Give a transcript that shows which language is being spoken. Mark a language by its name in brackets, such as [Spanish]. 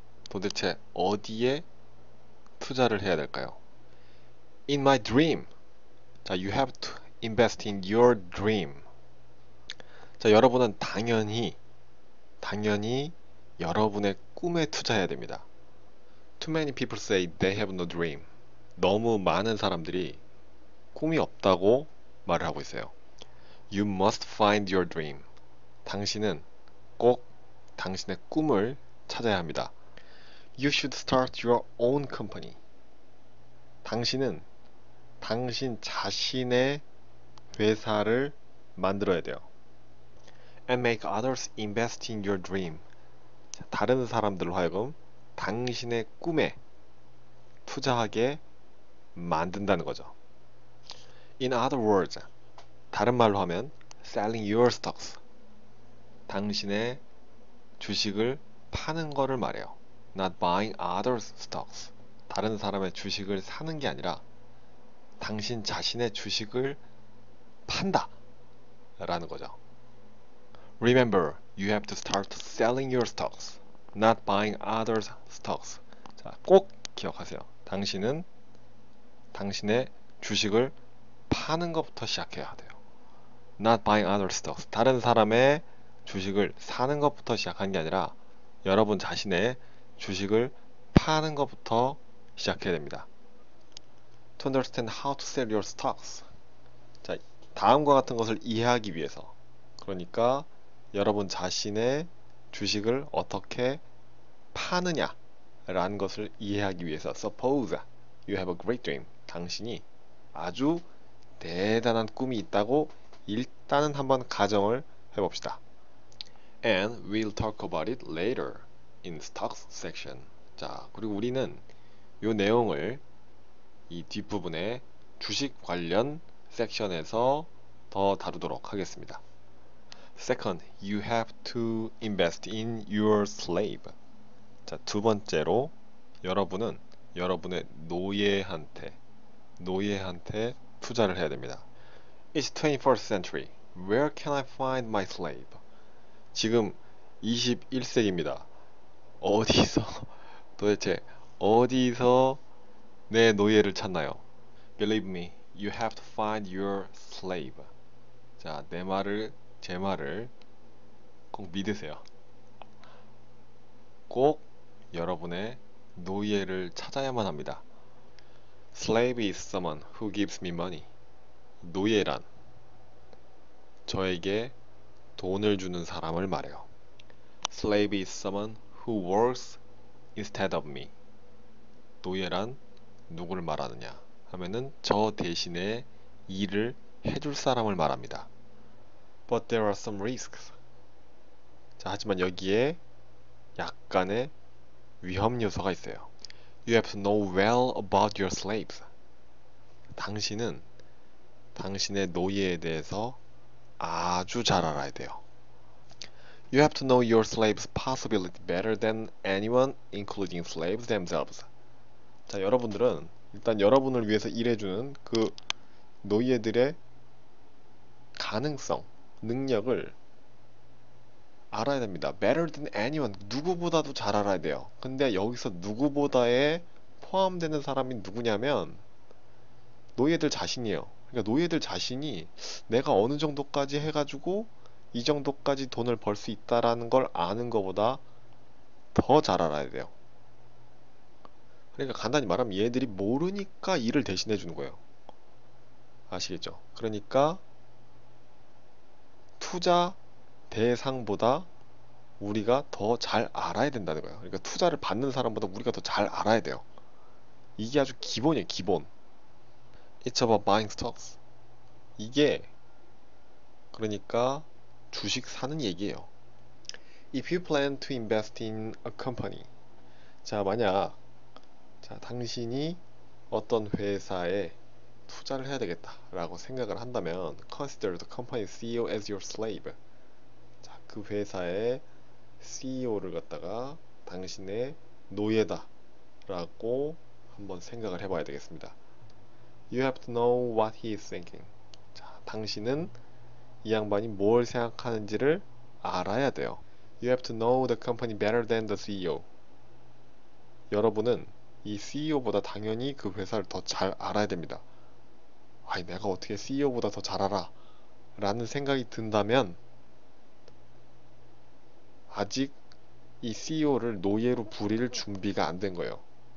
[Korean] 도대체 어디에 투자를 해야 될까요? [English] In my dream. [Korean] 자, [English] you have to invest in your dream. [Korean] 자, 여러분은 당연히 여러분의 꿈에 투자해야 됩니다. [English] Too many people say they have no dream. [Korean] 너무 많은 사람들이 꿈이 없다고 말을 하고 있어요. [English] You must find your dream. [Korean] 당신은 꼭 당신의 꿈을 찾아야 합니다. [English] You should start your own company. [Korean] 당신은 당신 자신의 회사를 만들어야 돼요. [English] And make others invest in your dream. [Korean] 다른 사람들로 하여금 당신의 꿈에 투자하게 만든다는 거죠. [English] In other words, [Korean] 다른 말로 하면 [English] selling your stocks. [Korean] 당신의 주식을 파는 거를 말해요. [English] Not buying others' stocks. [Korean] 다른 사람의 주식을 사는 게 아니라 당신 자신의 주식을 판다 라는 거죠. [English] Remember, you have to start selling your stocks, not buying others' stocks. [Korean] 자, 꼭 기억하세요. 당신은 당신의 주식을 파는 것부터 시작해야 돼요. [English] Not buying other stocks. [Korean] 다른 사람의 주식을 사는 것부터 시작한 게 아니라 여러분 자신의 주식을 파는 것부터 시작해야 됩니다. [English] To understand how to sell your stocks. [Korean] 자, 다음과 같은 것을 이해하기 위해서. 그러니까 여러분 자신의 주식을 어떻게 파느냐 라는 것을 이해하기 위해서 [English] Suppose you have a great dream. [Korean] 당신이 아주 대단한 꿈이 있다고 일단은 한번 가정을 해봅시다. [English] And we'll talk about it later in stocks section. [Korean] 자, 그리고 우리는 요 내용을 이 뒷부분에 주식 관련 섹션에서 더 다루도록 하겠습니다. [English] Second, you have to invest in your slave. [Korean] 자, 두 번째로 여러분은 여러분의 노예한테 투자를 해야 됩니다. [English] It's 21st century. Where can I find my slave? [Korean] 지금 21세기입니다. 도대체 어디서 내 노예를 찾나요? [English] Believe me, you have to find your slave. [Korean] 자, 제 말을 꼭 믿으세요. 꼭 여러분의 노예를 찾아야만 합니다. [English] Slave is someone who gives me money. [Korean] 노예란 저에게 돈을 주는 사람을 말해요. [English] Slave is someone who works instead of me. [Korean] 노예란 누구를 말하느냐 하면은 저 대신에 일을 해줄 사람을 말합니다. [English] But there are some risks. [Korean] 자, 하지만 여기에 약간의 위험 요소가 있어요. [English] You have to know well about your slaves. [Korean] 당신은 당신의 노예에 대해서 아주 잘 알아야 돼요. [English] You have to know your slave's possibility better than anyone, including slaves themselves. [Korean] 자, 여러분들은 일단 여러분을 위해서 일해주는 그 노예들의 가능성, 능력을 알아야 됩니다. [English] Better than anyone, [Korean] 누구보다도 잘 알아야 돼요. 근데 여기서 누구보다에 포함되는 사람이 누구냐면 노예들 자신이에요. 그러니까 노예들 자신이 내가 어느 정도까지 해가지고 이 정도까지 돈을 벌수 있다라는 걸 아는 것보다 더잘 알아야 돼요. 그러니까 간단히 말하면 얘들이 모르니까 일을 대신해 주는 거예요. 아시겠죠? 그러니까 투자 대상보다 우리가 더잘 알아야 된다는 거예요. 그러니까 투자를 받는 사람보다 우리가 더잘 알아야 돼요. 이게 아주 기본이에요, 기본. [English] It's about buying stocks. [Korean] 이게 그러니까 주식 사는 얘기예요. [English] If you plan to invest in a company. [Korean] 자, 만약 당신이 어떤 회사에 투자를 해야 되겠다라고 생각을 한다면 [English] consider the company CEO as your slave. [Korean] 자, 그 회사의 CEO를 갖다가 당신의 노예다라고 한번 생각을 해봐야 되겠습니다. [English] You have to know what he is thinking. [Korean] 자, 당신은 이 양반이 뭘 생각하는지를 알아야 돼요. [English] You have to know the company better than the CEO. [Korean] 여러분은 이 CEO보다 당연히 그 회사를 더잘 알아야 됩니다. 아니, 내가 어떻게 CEO보다 더잘 알아? 라는 생각이 든다면 아직 이 CEO를 노예로 부릴 준비가 안된 거예요.